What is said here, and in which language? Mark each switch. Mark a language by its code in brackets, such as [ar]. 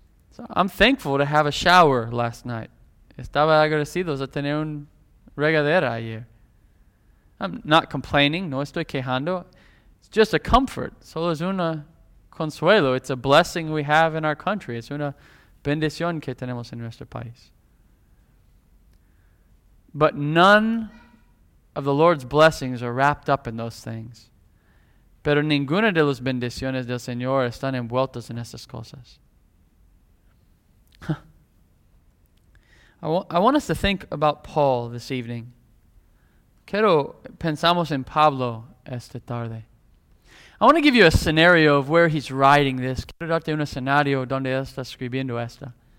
[en] So I'm thankful to have a shower last night. [es] Estaba agradecido de tener un regadera ayer. [en] I'm not complaining. [es] No estoy quejando. [en] It's just a comfort. [es] Solo es una consuelo. [en] It's a blessing we have in our country. [es] Es una bendición que tenemos en nuestro país. [en] But none of the Lord's blessings are wrapped up in those things. [es] Pero ninguna de las bendiciones del Señor están envueltas en esas cosas. [en] I want us to think about Paul this evening. [es] Quiero pensamos en Pablo esta tarde. [en] I want to give you a scenario of where he's writing this. [es] Quiero darte un escenario donde está escribiendo esta.